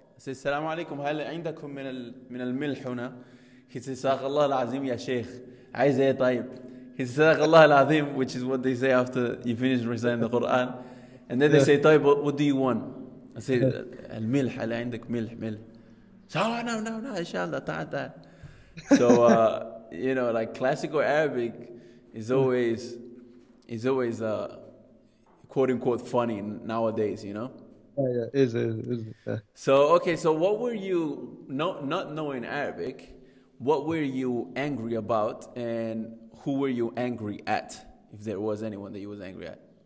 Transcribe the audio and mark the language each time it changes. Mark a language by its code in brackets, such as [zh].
[en] I say, [ar] Assalamu alaikum, هل عندكم من الملح هنا? [en] He says, Sadaq Allah al-Azim ya Shaykh, [ar] عايز ايه طيب? [en] He says, Sadaq Allah al-Azim, which is what they say after you finish reciting the Quran. And then they say, طيب, what do you want? I say, [ar] الملح, هل عندك ملح, ملح? [en] So, no, inshallah, تعال. So, you know, like classical Arabic is always a quote unquote funny nowadays, you know? Yeah, it is. So, okay, so what were you, not knowing Arabic, what were you angry about and who were you angry at, if there was anyone that you was angry at?